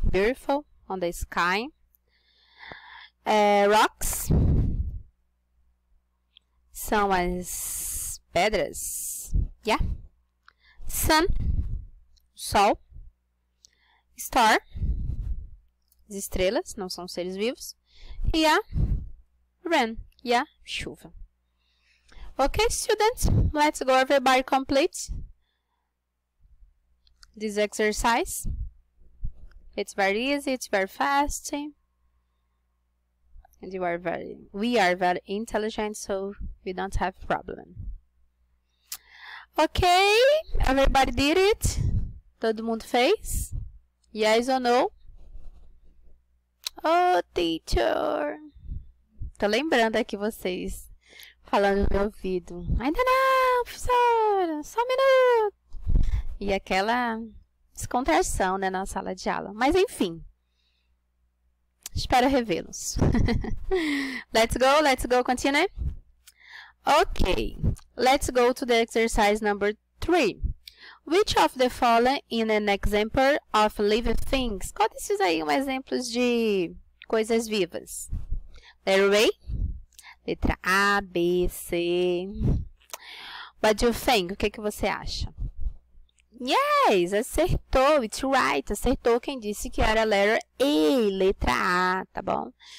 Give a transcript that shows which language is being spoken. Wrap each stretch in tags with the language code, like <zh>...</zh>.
<en>Beautiful on the sky. Rocks</en> <pt>são as pedras,</pt> <en>yeah.</en> <pt>Sun, sol, star, as estrelas, não são seres vivos, e a rain, yeah, chuva.</pt> <en>Okay, students, let's go everybody complete this exercise. It's very easy, it's very fast. And you are very, we are very intelligent, so we don't have problem. Okay, everybody did it?</en> <pt>Todo mundo fez?</pt> <en>Yes or no? Oh, teacher!</en> <pt>Tô lembrando aqui vocês falando no meu ouvido. Ainda não, professora! Só um minuto! E aquela descontração, né, na sala de aula. Mas enfim. Espero revê-los.</pt> <en>let's go, continue. Okay, let's go to the exercise number 3. Which of the following in an example of living things?</en> <pt>Qual desses aí um exemplo de coisas vivas?</pt> <en>Letter A?</en> <pt>Letra A, B, C.</pt> <en>What do you think?</en> <pt>O que, que você acha?</pt> <en>Yes,</en> <pt>acertou,</pt> <en>it's right,</en> <pt>acertou quem disse que era</pt> <en>letter A,</en> <pt>letra A, tá bom?</pt>